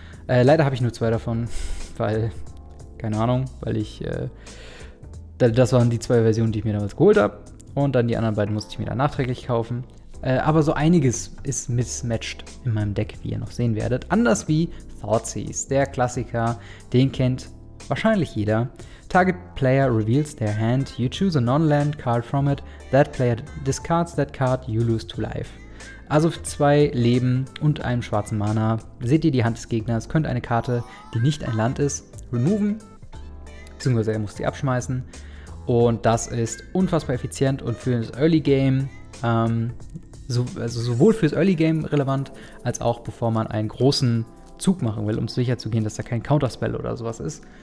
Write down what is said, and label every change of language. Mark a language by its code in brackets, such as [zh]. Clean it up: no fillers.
[de] Leider habe ich nur 2 davon, weil, keine Ahnung, weil ich, das waren die 2 Versionen, die ich mir damals geholt habe. Und dann die anderen beiden musste ich mir dann nachträglich kaufen. Aber so einiges ist mismatched in meinem Deck, wie ihr noch sehen werdet. Anders wie Thoughtseize, der Klassiker, den kennt wahrscheinlich jeder. [en] Target player reveals their hand, you choose a non-land card from it, that player discards that card, you lose 2 life. [de] Also für 2 Leben und einem schwarzen Mana seht ihr die Hand des Gegners, könnt eine Karte, die nicht ein Land ist, removen, beziehungsweise er muss sie abschmeißen. Und das ist unfassbar effizient und für das Early Game, sowohl für das Early Game relevant, als auch bevor man einen großen Zug machen will, um sicher zu gehen, dass da kein Counterspell oder sowas ist.